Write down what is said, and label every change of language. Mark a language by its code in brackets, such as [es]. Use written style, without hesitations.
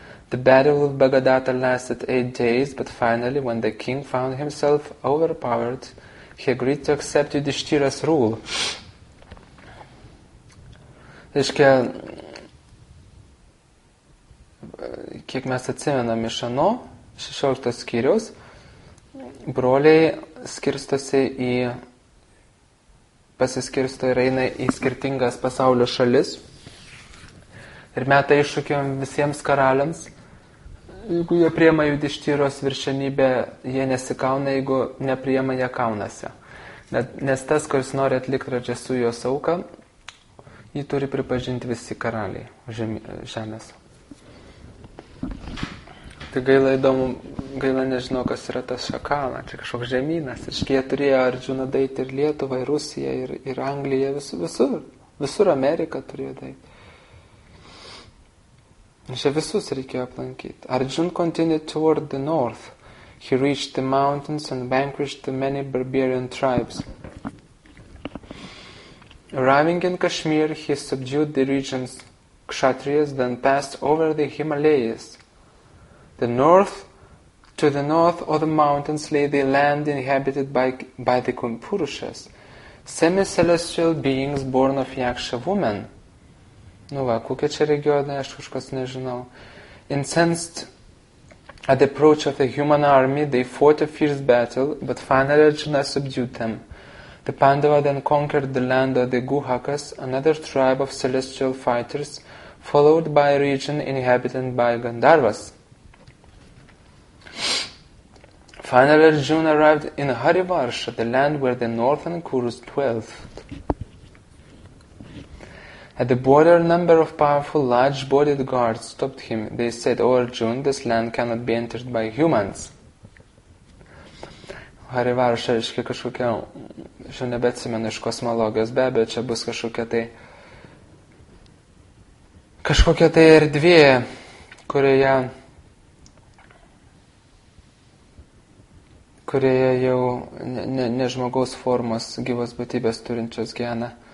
[en] The battle with Bagadatta lasted 8 days, but finally, when the king found himself overpowered, he agreed to accept Yudhishthira's rule. [lt] Reiškia, kiek mes atsimenam iš ano, 16 skyriaus, broliai skirstosi į, pasiskirsto ir eina į skirtingas pasaulio šalis ir meta iššūkį visiems karaliams. Jeigu jie priema Yudhishthiros viršenybę, jie nesikauna, jeigu nepriema, jie kaunasi. Nes tas, kuris nori atlikti Rajasujos auką, jį turi pripažinti visi karaliai žemės. Tai gaila įdomu, gaila nežinau, kas yra tas šakala, čia kažkoks žemynas. Jie turėjo Arjuna daiti ir Lietuvą, ir Rusiją, ir Angliją, visur Ameriką turėjo daiti. Čia visus reikėjo aplankyti. [en] Arjun continued toward the north. He reached the mountains and vanquished the many barbarian tribes. Arriving in Kashmir, he subdued the region's Kshatriyas, then passed over the Himalayas. The north, to the north of the mountains lay the land inhabited by the Kumpurushas, semi-celestial beings born of Yaksha women. [lt] Nu va, kokie čia regionai, aš kažkas nežinau. [en] Incensed at the approach of the human army, they fought a fierce battle, but finally Arjuna subdued them. The Pandava then conquered the land of the Guhakas, another tribe of celestial fighters, followed by a region inhabited by Gandharvas. Finally Arjuna arrived in Harivarsha, the land where the northern Kurus dwelt. At the border, a number of powerful, large-bodied guards stopped him. They said, "O Arjuna, this land cannot be entered by humans." [lt] Harivarsha, reiškia kažkokia, aš jau nebeatsimenu iš kosmologijos, be abejo, čia bus kažkokia tai erdvė, kurioje jau ne žmogaus formos gyvos būtybės turinčios gyvena.